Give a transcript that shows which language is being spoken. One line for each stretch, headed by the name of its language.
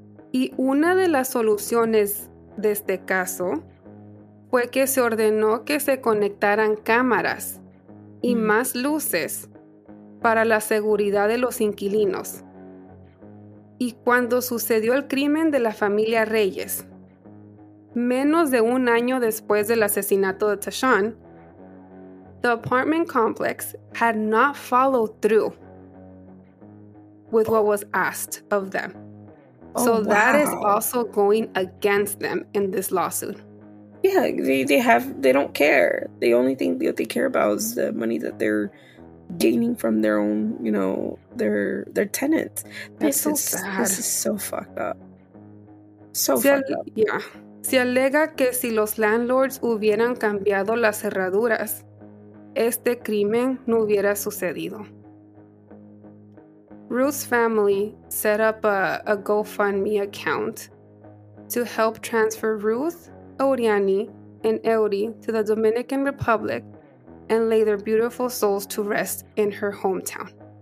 Spanish: Y una de las soluciones de este caso fue que se ordenó que se conectaran cámaras y más luces para la seguridad de los inquilinos. y cuando sucedió el crimen de la familia Reyes. Menos de un año después del asesinato de Tashan,
English: the apartment complex had not followed through with what was asked of them. That is also going against them in this lawsuit. Yeah, they don't care. The only thing that they care about is the money that they're gaining from their own, you know, their tenants. This is so fucked up. Yeah.
Spanish: Se alega que si los landlords hubieran cambiado las cerraduras, este crimen no hubiera sucedido.
English: Ruth's family set up a GoFundMe account to help transfer Ruth, Eurianny, and Eury to the Dominican Republic and lay their beautiful souls to rest in her hometown.